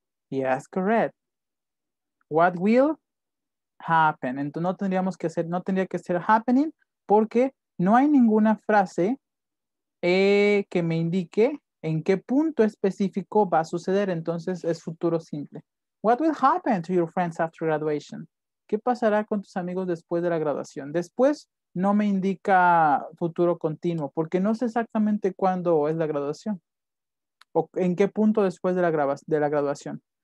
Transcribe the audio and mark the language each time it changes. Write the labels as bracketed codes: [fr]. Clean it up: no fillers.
[en] Yes, correct. What will happen? [es] Entonces no tendríamos que hacer, no tendría que ser happening, porque no hay ninguna frase que me indique en qué punto específico va a suceder. Entonces es futuro simple. [en] What will happen to your friends after graduation? [es] ¿Qué pasará con tus amigos después de la graduación? Después no me indica futuro continuo, porque no sé exactamente cuándo es la graduación. ¿O en qué punto después de la graduación?